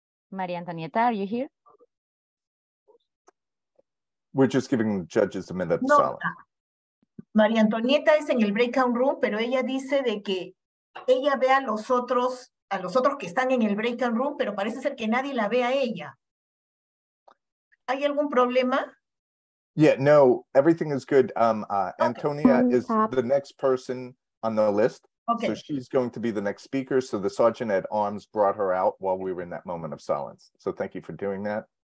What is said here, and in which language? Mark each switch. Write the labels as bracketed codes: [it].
[en] Maria Antonieta, are you here? We're just giving the judges a minute of silence. No, [es] Maria Antonieta es en el breakout room, pero ella dice de que ella ve a los otros que están en el breakout room, pero parece ser que nadie la ve a ella. ¿Hay algún problema? [en] Yeah, no, everything is good. Antonia is the next person on the list. Okay. So she's going to be the next speaker. So the sergeant at arms brought her out while we were in that moment of silence. So thank you for doing that.